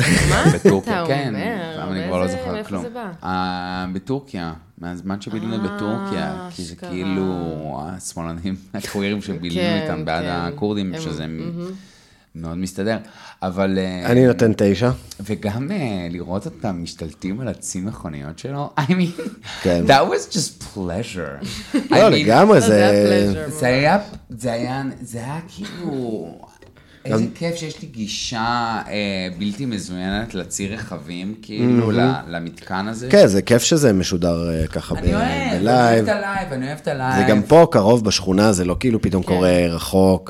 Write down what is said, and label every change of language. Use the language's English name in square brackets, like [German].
[Hebrew] מה אתה אומר? פעם אני כבר לא זוכר כלום. איפה זה בא? בטורקיה. מהזמן שבילינו בטורקיה. כי זה כאילו השמאלנים הקווירים שבילינו איתם בעד הקורדים, שזה מאוד מסתדר. אבל אני נותן 9. וגם לראות אותם משתלטים על הצי מכוניות שלו. [English] I mean, that was just pleasure. [Hebrew] לא, לגמרי זה זה היה כאילו, איזה כיף שיש לי גישה בלתי מזוינת לציר רכבים, כאילו, למתקן הזה. כן, זה כיף שזה משודר ככה בלייב. אני אוהב את הלייב, אני אוהב את הלייב. זה גם פה, קרוב בשכונה, זה לא כאילו פתאום קורה רחוק.